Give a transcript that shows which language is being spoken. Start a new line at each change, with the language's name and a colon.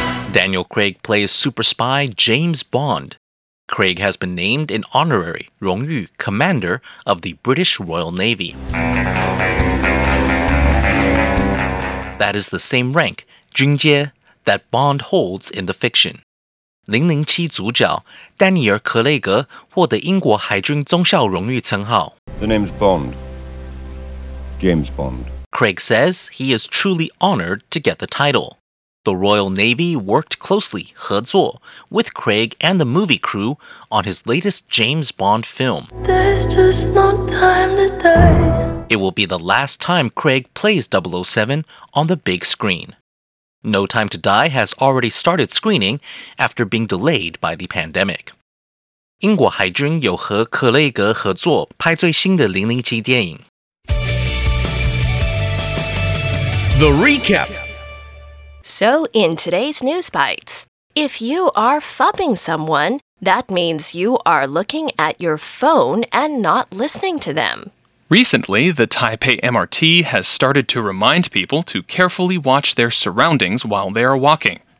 English: Daniel Craig plays super spy James Bond. Craig has been named an honorary 荣誉 commander of the British Royal Navy. That is the same rank, 军阶, that Bond holds in the fiction.
Chinese: 007主角丹尼尔·克雷格获得英国海军中校荣誉称号。
English: The name's Bond. James Bond. Craig says he is truly honored to get the title. The Royal Navy worked closely, 合作, with Craig and the movie crew on his latest James Bond film. There's just no time to die. It will be the last time Craig plays 007 on the big screen. No Time to Die has already started screening after being delayed by the pandemic.
Chinese: 英国海军有和克雷格合作拍最新的007电影。
English: The recap. So in today's news bites, if you are phubbing someone, that means you are looking at your phone and not listening to them. Recently, the Taipei MRT has started to remind people to carefully watch their surroundings while they are walking.